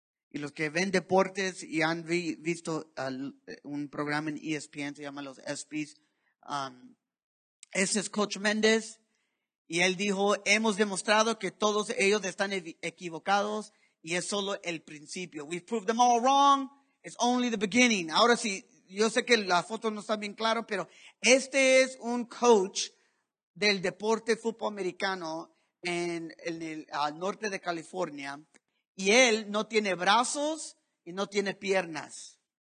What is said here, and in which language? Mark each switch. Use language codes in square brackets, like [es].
[es] Y los que ven deportes y han visto un programa en ESPN, se llama Los ESPYs, ese es Coach Méndez, y él dijo, hemos demostrado que todos ellos están equivocados y es solo el principio. [en] We've proved them all wrong, it's only the beginning. [es] Ahora sí, yo sé que la foto no está bien claro, pero este es un coach del deporte fútbol americano en el norte de California, y él no tiene brazos y no tiene piernas.